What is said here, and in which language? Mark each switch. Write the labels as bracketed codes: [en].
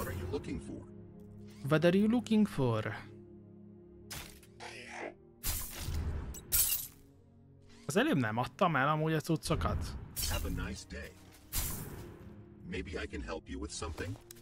[en] What are you looking for? [hu] Az előbb nem adtam el amúgy a cuccokat. [en] Have a nice day. Maybe I can help you with something.